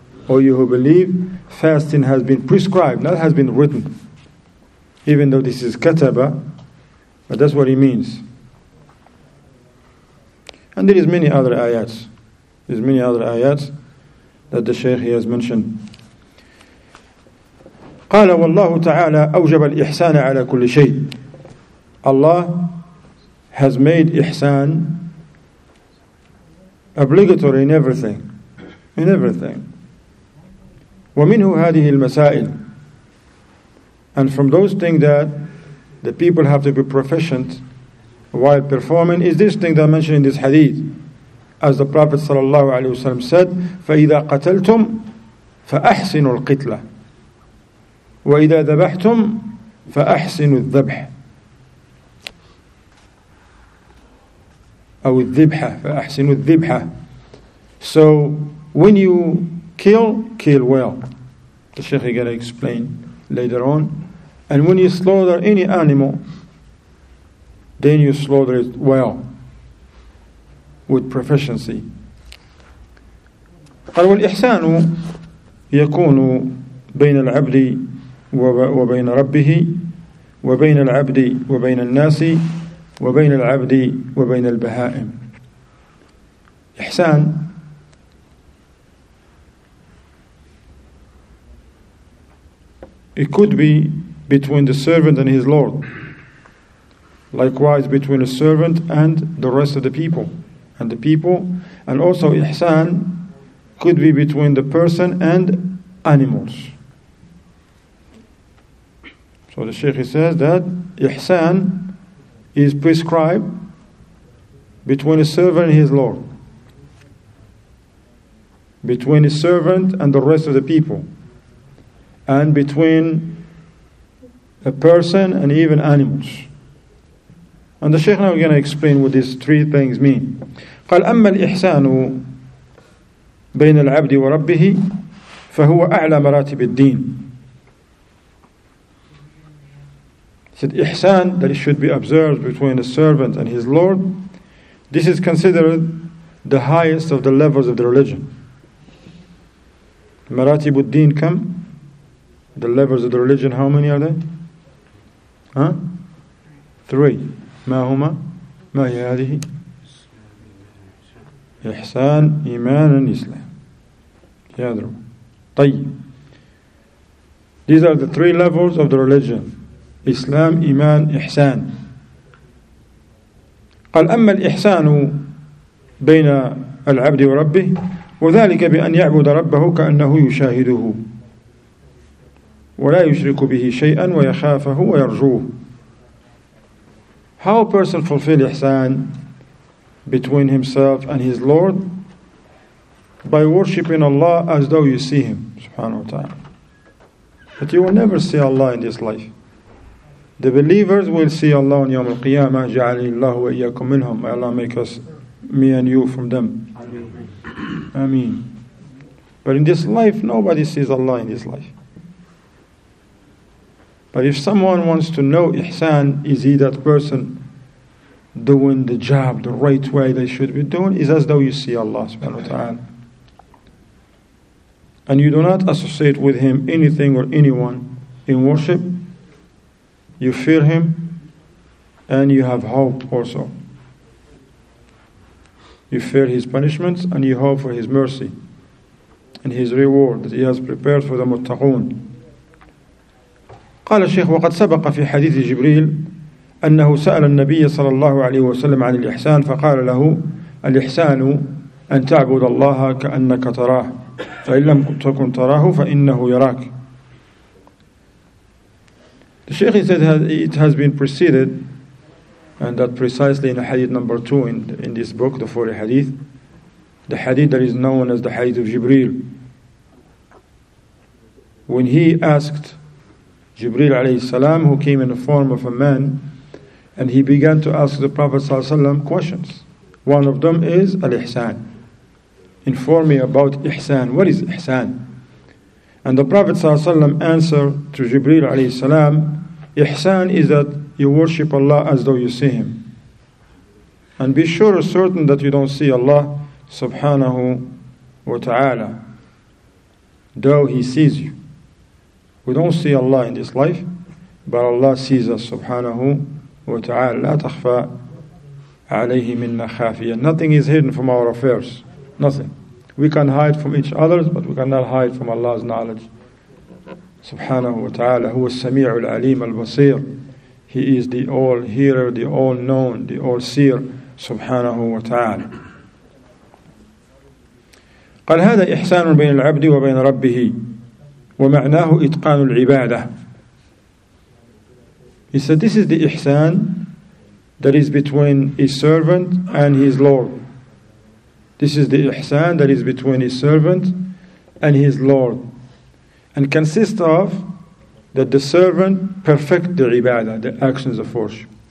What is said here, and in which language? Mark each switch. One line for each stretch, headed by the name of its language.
English: O you who believe, fasting has been prescribed, not has been written. Even though this is kataba, but that's what he means. And there is many other ayats. There's many other ayats that the Shaykh has mentioned.
Arabic: قال والله تعالى أوجب الإحسان على كل شيء.
English: Allah has made ihsan obligatory in everything. In everything.
Arabic: ومنه هذه المسائل.
English: And from those things that the people have to be proficient while performing is this thing that I mentioned in this hadith. As the Prophet ﷺ said,
Arabic: فَإِذَا قَتَلْتُمْ فَأَحْسِنُوا الْقِتْلَةِ. وإذا ذبحتم فأحسنوا الذبح أو الذبحة فأحسنوا الذبحة.
English: So when you kill, kill well. The Sheikh is going to explain later on. And when you slaughter any animal, then you slaughter it well, with proficiency.
Arabic: قال والإحسان يكون بين العبد وبين ربه وبين العبد وبين الناس وبين العبد وبين البهائم.
English: إحسان it could be between the servant and his lord, likewise between a servant and the rest of the people and the people, and also ihsan could be between the person and animals. So the Sheikh says that ihsan is prescribed between a servant and his lord, between a servant and the rest of the people, and between a person and even animals. And the Sheikh now is going to explain what these three things mean.
Arabic: قال أما الإحسان بين العبد وربه فهو أعلى مراتب الدين.
English: Said إحسان, that it should be observed between a servant and his lord, this is considered the highest of the levels of the religion.
Arabic: مراتب الدين كم؟
English: The levels of the religion, how many are they? Huh? Three.
Arabic: ما هما؟ ما هي هذه؟ إحسان إيمان إسلام يادرو. طيب.
English: These are the three levels of the religion: إسلام إيمان إحسان.
Arabic: قال أما الإحسان بين العبد وربه وذلك بأن يعبد ربه كأنه يشاهده ولا يشرك به شيئا ويخافه ويرجوه.
English: How a person fulfill ihsan between himself and his Lord? By worshipping Allah as though you see Him, subhanahu wa ta'ala. But you will never see Allah in this life. The believers will see Allah on Yawm al-Qiyamah.
Arabic: جَعَلِي اللَّهُ وَإِيَّكُمْ مِنْهُمْ.
English: May Allah make us, me and you, from them. Ameen. But in this life, nobody sees Allah in this life. But if someone wants to know ihsan, is he that person doing the job the right way they should be doing? Is as though you see Allah subhanahu wa ta'ala. And you do not associate with him anything or anyone in worship. You fear him and you have hope also. You fear his punishments and you hope for his mercy and his reward that he has prepared for the muttaqoon.
Arabic: قال الشيخ وقد سبق في حديث جبريل أنه سأل النبي صلى الله عليه وسلم عن الإحسان فقال له الإحسان أن تعبد الله كأنك تراه فإن لم تكن تراه فإنه يراك.
English: The Sheikh said it has been preceded, and that precisely in hadith number 2 in this book, the 40 hadith, the hadith that is known as the hadith of Jibreel. When he asked Jibreel alayhi salam, who came in the form of a man, and he began to ask the Prophet sallallahu alayhi wa sallam questions. One of them is al-ihsan. Inform me about ihsan. What is ihsan? And the Prophet sallallahu alayhi wa sallam answered to Jibreel alayhi salam, ihsan is that you worship Allah as though you see Him. And be sure or certain that you don't see Allah subhanahu wa ta'ala, though He sees you. We don't see Allah in this life, but Allah sees us, subhanahu wa ta'ala.
Arabic: لا تخفى عليه منا خافية.
English: Nothing is hidden from our affairs. Nothing. We can hide from each other, but we cannot hide from Allah's knowledge. Subhanahu wa ta'ala.
Arabic: هو السميع العليم البصير.
English: He is the all-hearer, the all-known, the all-seer, subhanahu wa ta'ala.
Arabic: قال هذا إحسان بين العبد وبين ربه ومعناه إتقان العبادة.
English: He said this is the ihsan that is between a servant and his lord. This is the ihsan that is between a servant and his lord. And consists of that the servant perfect the ibadah, the actions of worship.